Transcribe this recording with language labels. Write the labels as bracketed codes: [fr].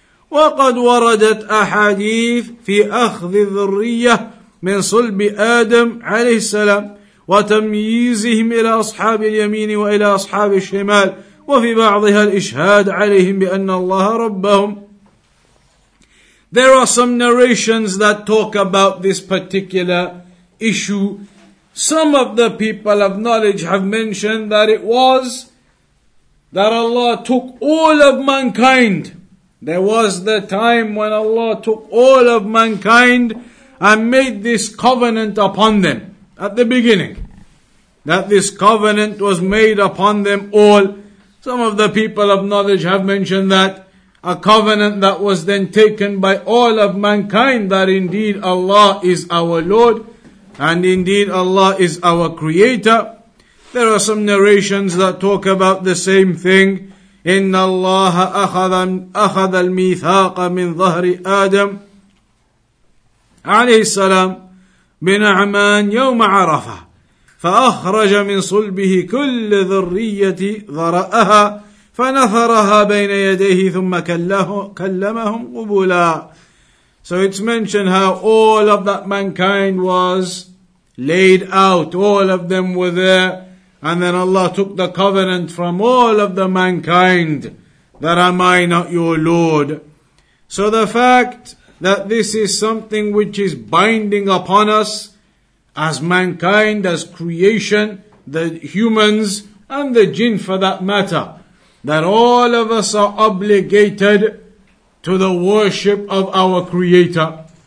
[ar] وَقَدْ وَرَدَتْ أَحَادِيثِ فِي أَخْذِ ذُرِّيَّةِ مِنْ صُلْبِ آدَمْ عَلَيْهِ السَّلَامِ وتمييزهم إلى أصحاب اليمين وإلى أصحاب الشمال وفي بعضها الإشهاد عليهم بأن الله ربهم. [en] There are some narrations that talk about this particular issue. Some of the people of knowledge have mentioned that it was that Allah took all of mankind. There was the time when Allah took all of mankind and made this covenant upon them at the beginning, that this covenant was made upon them all. Some of the people of knowledge have mentioned that a covenant that was then taken by all of mankind, that indeed Allah is our Lord and indeed Allah is our Creator. There are some narrations that talk about the same thing. [ar] إن الله أخذ الميثاق من ظهر آدم عليه السلام من عمان يوم عرفة فأخرج من صلبه كل ذرية ذرأها فنثرها بين يديه ثم كلمهم قبولا. [en] So it's mentioned how all of that mankind was laid out, all of them were there, and then Allah took the covenant from all of the mankind that am I not your Lord. So the fact that this is something which is binding upon us as mankind, as creation, the humans and the jinn for that matter, that all of us are obligated to the worship of our Creator.